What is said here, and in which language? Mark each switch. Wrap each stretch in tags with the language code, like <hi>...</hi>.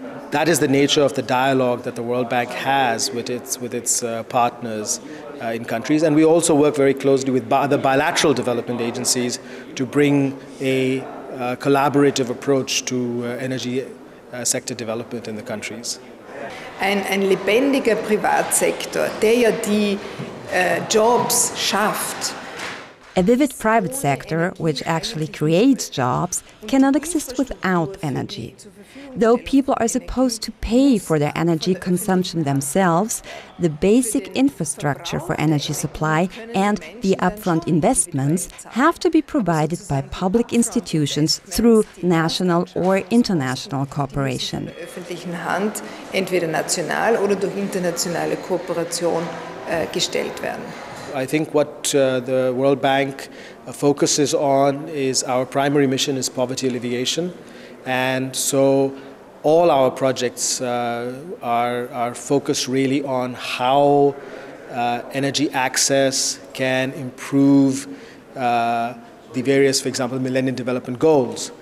<en>That is the nature of the dialogue that the World Bank has with its partners in countries. And we also work very closely with other bilateral development agencies to bring a collaborative approach to energy sector development in the countries.</en> <de>Ein lebendiger Privatsektor, der ja die Jobs schafft.</de> <en>A vivid private sector, which actually creates jobs, cannot exist without energy. Though people are supposed to pay for their energy consumption themselves, the basic infrastructure for energy supply and the upfront investments have to be provided by public institutions through national or international cooperation.</en> <de>Entweder national oder durch internationale Kooperation gestellt werden.</de> <en>I think what the World Bank focuses on is our primary mission is poverty alleviation. And so all our projects are focused really on how energy access can improve the various, for example, Millennium Development Goals.</en>